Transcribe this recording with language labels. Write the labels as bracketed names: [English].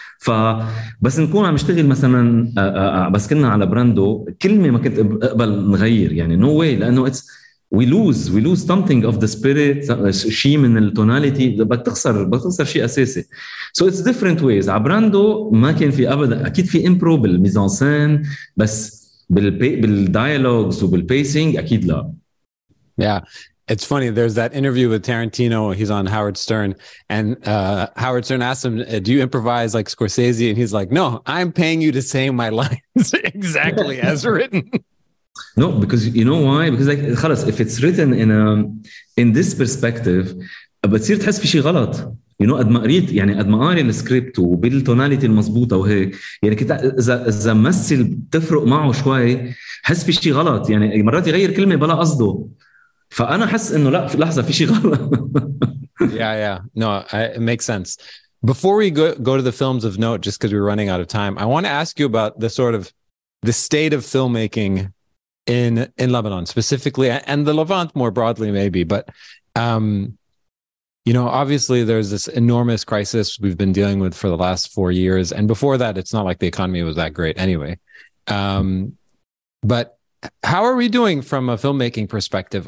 [Arabic] فبس نكون عم نشتغل مثلا, بس كنا على براندو, كلمة ما كنت أقبل نغير, يعني [English] no way, [Arabic] لأنه [English] it's We lose something of the spirit, [Arabic] شيء من التوناليتي, بتخسر شيء أساسي. [English] So it's different ways. [Arabic] عبراندو ما كان في أبدا, أكيد في إمبرو بالميزانسين, بس بالديالوجز وبالبيسينج أكيد لا. [English] Yeah, it's funny. There's that interview with Tarantino. He's on Howard Stern. And Howard Stern asked him, do you improvise like Scorsese? And he's like, no, I'm paying you to say my lines exactly as written. No, because you know why? Because like, خلاص, if it's written in a in this perspective, [Arabic] بتصير تحس في شيء غلط. [English] You know, [Arabic] قد ما قاري السكريبت وبالتوناليتي المزبوطة وهيك, يعني كنت إذا مثل تفرق معه شوي, حس في شيء غلط. يعني مرات يغير كلمة بلا قصده. فأنا حس إنه لا, في لحظة في شيء غلط. [English] yeah. No, it makes sense. Before we go to the films of note, just because we're running out of time, I want to ask you about the sort of the state of filmmaking in Lebanon specifically, and the Levant more broadly maybe, but you know, obviously there's this enormous crisis we've been dealing with for the last 4 years, and before that it's not like the economy was that great anyway, but how are we doing from a filmmaking perspective?